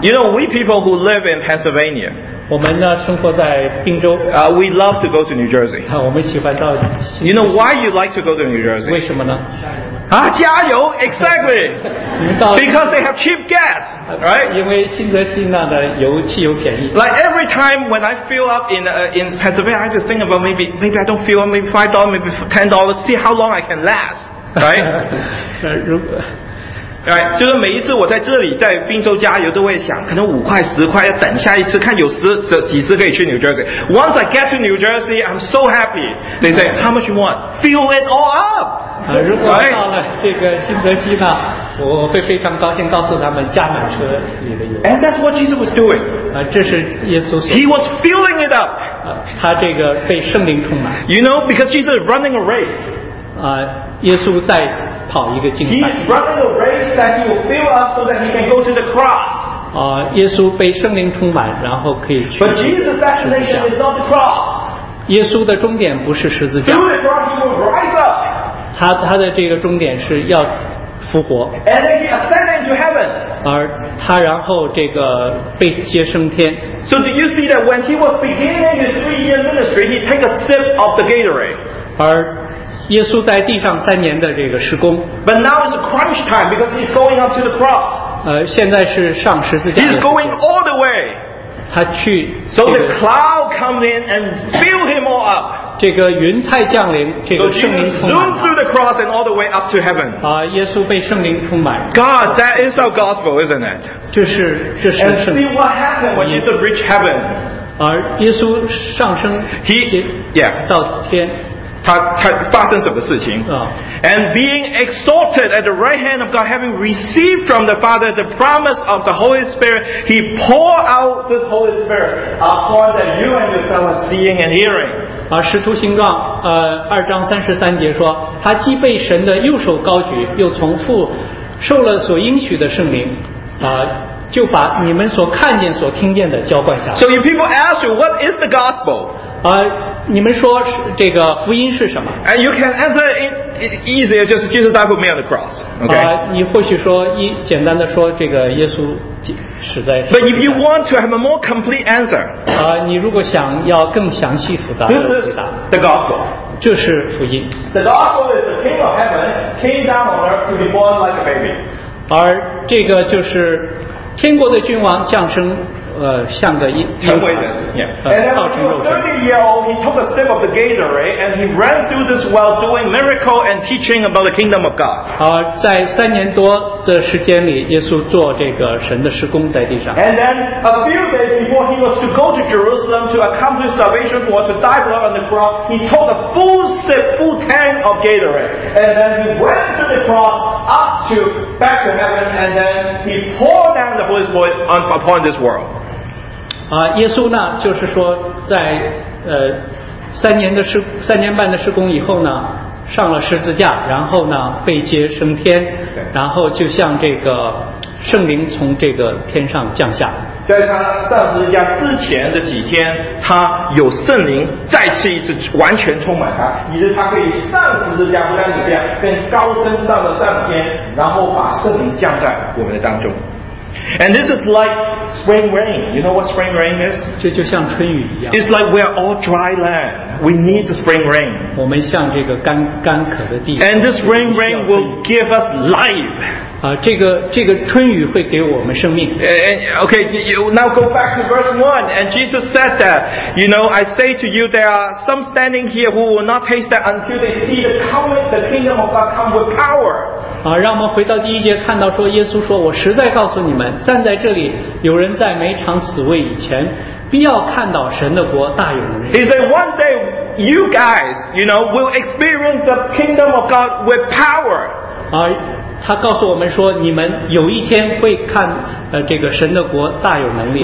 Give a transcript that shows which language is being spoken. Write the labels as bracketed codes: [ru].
[en] You know, we people who live in Pennsylvania. [zh] 我们呢生活在宾州。 [en] We love to go to New Jersey. [zh] 我们喜欢到。 [en] You know why you like to go to New Jersey? [zh] 为什么呢？加油 [en] exactly because they have cheap gas right [zh] 因为新泽西那的油汽油便宜 [en] like every time when I fill up in Pennsylvania I just think about maybe I don't fill up maybe $5 maybe $10 see how long I can last right right [zh] 就是每一次我在这里在宾州加油都会想可能五块十块要等下一次看有时几次可以去 [en] New Jersey once I get to New Jersey I'm so happy they say how much you want fill it all up [zh] 如果到了这个新泽西呢我会非常高兴告诉他们加满车里的油 [en] And that's what Jesus was doing [zh] 这是耶稣所 [en] He was filling it up [zh] 他这个被圣灵充满 [en] You know because Jesus is running a race [zh] 耶稣在跑一个竞赛 [en] He's running a race that he will fill up so that he can go to the cross [zh] 耶稣被圣灵充满然后可以去 [en] But Jesus' destination is not the cross [zh] 耶稣的终点不是十字架 [en] Through it for he will rise up [zh] 他的这个终点是要复活 [en] And then he ascended into heaven [zh] 而他然后这个被接升天 [en] So do you see that when he was beginning his 3-year ministry he took a sip of the Gatorade [zh] 而耶稣在地上三年的这个事工 [en] But now it's crunch time because he's going up to the cross [zh] 现在是上十字架 [en] He's going all the way [zh] 他去、这个、 [en] So the cloud comes in and fill him all up [zh] 这个云彩降临，这个圣灵充满。 [en] So Jesus zoomed through the cross and all the way up to heaven. [zh] 耶稣被圣灵充满。 [en] God, that is our gospel, isn't it? [zh] 这是圣 [en] 灵。And see what happened when Jesus reached heaven. [zh] 耶稣上升。 [en] He, yeah, [zh] 到天。他发生什么事情？ [en] And being exalted at the right hand of God, having received from the Father the promise of the Holy Spirit, he poured out the Holy Spirit upon that you and your son are seeing and hearing. [zh] 使徒行状二章三十三节说，他既被神的右手高举，又从父受了所应许的圣灵，就把你们所看见、所听见的浇灌下来。 [en] So if people ask you, what is the gospel? [zh] 你们说这个福音是什么？ [en] And you can answer it easier, just Jesus died for me on the cross. Okay. [zh] 你或许说简单的说这个耶稣死在。 [en] But if you want to have a more complete answer, [zh] 你如果想要更详细复杂的回答 [en] This is the gospel. [zh] 这是福音。 [en] The gospel is the King of Heaven came down on earth to be born like a baby. [zh] 而这个就是天国的君王降生。像个成为人 yeah. [en] And then when he was 30 years old, he took a sip of the Gatorade and he ran through this while doing miracle and teaching about the kingdom of God. [zh] 在三年多的时间里，耶稣做这个神的施工在地上。 [en] And then a few days before he was to go to Jerusalem to accomplish salvation for to die blood on the cross, he took a full sip, full tank of Gatorade, and then he went to the cross up to back to heaven, and then he poured down the Holy Spirit upon this world. [zh] 耶稣呢就是说在三年半的施工以后呢上了十字架然后呢被接升天然后就像这个圣灵从这个天上降下在他上十字架之前的几天他有圣灵再次一次完全充满他以致他可以上十字架不单止这样跟高升上了上天然后把圣灵降在我们的当中 [en] And this is like spring rain. You know what spring rain is? [zh] 这就像春雨一样。 [en] It's like we are all dry land. We need the spring rain. [zh] 我们像这个干渴的地。 [en] And this spring rain will give us life. [zh] 这个春雨会给我们生命。 [en] Okay, you now go back to verse 1. And Jesus said that, you know, I say to you, there are some standing here who will not taste that until they see the kingdom of God come with power. [zh] 让我们回到第一节看到说耶稣说我实在告诉你们站在这里有人在没尝死味以前必要看到神的国大有能力 [en] He said one day you guys you know will experience the kingdom of God with power [zh] 他告诉我们说你们有一天会看这个神的国大有能力